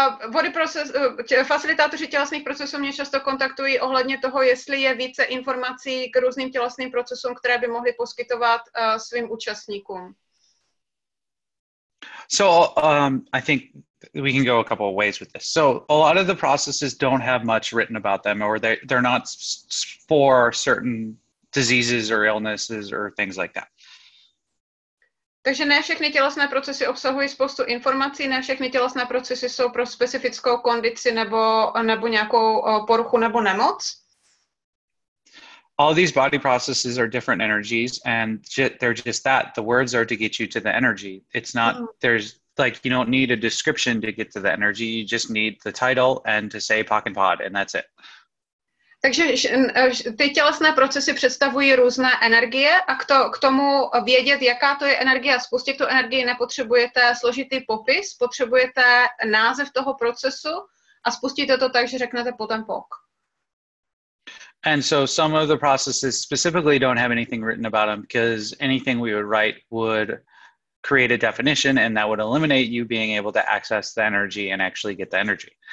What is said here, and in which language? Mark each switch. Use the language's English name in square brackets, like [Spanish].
[Czech] Body proces, facilitátoři tělesných procesů mě často kontaktují ohledně toho, jestli je více informací k různým tělesným procesům, které by mohly poskytovat svým účastníkům. [English] So I think we can go a couple of ways with this. So a lot of the processes don't have much written about them, or they're not for certain diseases or illnesses or things like that. [Czech] Takže ne všechny tělesné procesy obsahují spoustu informací, ne všechny tělesné procesy jsou pro specifickou kondici nebo nějakou poruchu nebo nemoc. [English] All these body processes are different energies and they're just that. The words are to get you to the energy. It's not, there's like, you don't need a description to get to the energy. You just need the title and to say pock and pod and that's it. [Czech] Takže ty tělesné procesy představují různé energie a k tomu vědět, jaká to je energie a spustit tu energii, nepotřebujete složitý popis, potřebujete název toho procesu a spustíte to tak, že řeknete potom pok. [English] And so some of the processes specifically don't have anything written about them because anything we would write would create a definition and that would eliminate you being able to access the energy and actually get the energy.